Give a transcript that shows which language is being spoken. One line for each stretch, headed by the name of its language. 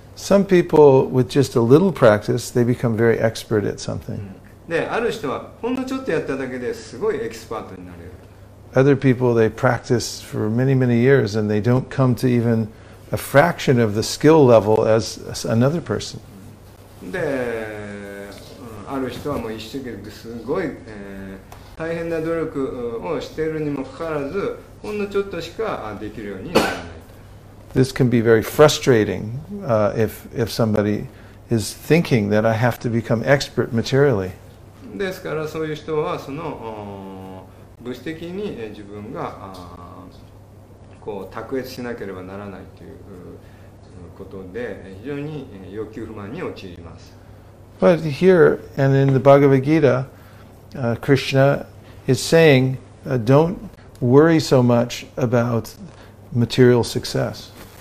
English: Some people with just a little practice, they become very expert at something.
Japanese: で、ある人はほんのちょっとやっただけですごいエキスパートになれる。
English: Other people, they practice for many, many years and they don't come to even a fraction of the skill level as another person.
Japanese: で、ある人はもう一生懸命すごい、大変な努力をしているにもかかわらず、ほんのちょっとしかできるようにならない。
English: This can be very frustrating if somebody is thinking that I have to become expert materially.
Japanese: ですからそういう人はその物質的に自分がこう卓越しなければならないということで非常に欲求不満に陥ります。
English: But here and in the Bhagavad Gita, Krishna is saying, don't worry so much about material success.